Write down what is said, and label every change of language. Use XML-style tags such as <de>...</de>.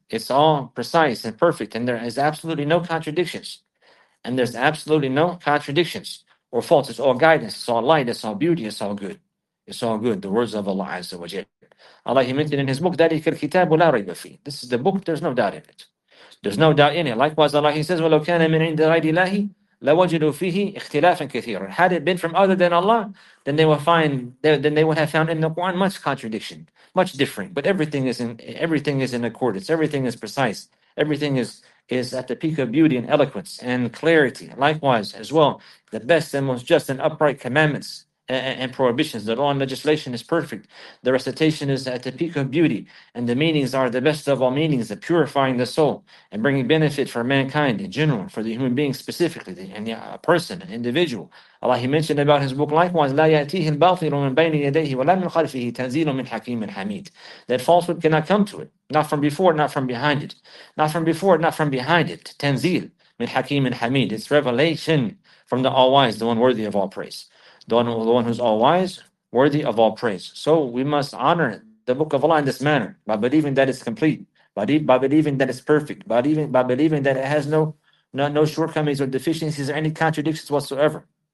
<en>It's all precise and perfect. And there is absolutely no contradictions. And there's absolutely no contradictions or faults. It's all guidance. It's all light. It's all beauty. It's all good. It's all good. The words of Allah Azza wa Jal. Allah, he mentioned in his book,</en> <ar>ذَلِكَ الْكِتَابُ لَا رَيْبَ فِيهِ.</ar> <en>This is the book. There's no doubt in it. There's no doubt in it. Likewise, Allah, he says,</en> <ar>وَلَوْ كَانَ مِنْ عِنْدِ غَيْرِ اللَّهِ لَوَجِدُوا فِيهِ اخْتِلَافًا كَثِيرًا.</ar> <en>Had it been from other than Allah, then they would have found in the Quran much contradiction, much differing. But everything is in accordance. Everything is precise. Everything is at the peak of beauty and eloquence and clarity. Likewise, as well, the best and most just and upright commandments and prohibitions, the law and legislation is perfect. The recitation is at the peak of beauty, and the meanings are the best of all meanings, of purifying the soul and bringing benefit for mankind in general, for the human being specifically, a person, an individual. Allah, he mentioned about his book, likewise,</en> <ar>لَا يَأْتِيهِ الْبَاطِلُ مِنْ بَيْنِ يَدَيْهِ وَلَا مِنْ خَلْفِهِ تَنْزِيلٌ مِنْ حَكِيمٍ حَمِيدٍ.</ar> <en>That falsehood cannot come to it, not from before, not from behind it. Not from before, not from behind it.</en> <ar>تَنْزِيلٌ مِنْ حَكِيمٍ حَمِيدٍ.</ar> <en>It's revelation from the All-Wise, the One worthy of all praise. The one who's all wise, worthy of all praise. So we must honor the book of Allah in this manner, by believing that it's complete, by believing that it's perfect, by believing that it has no shortcomings or deficiencies or any contradictions whatsoever.</en>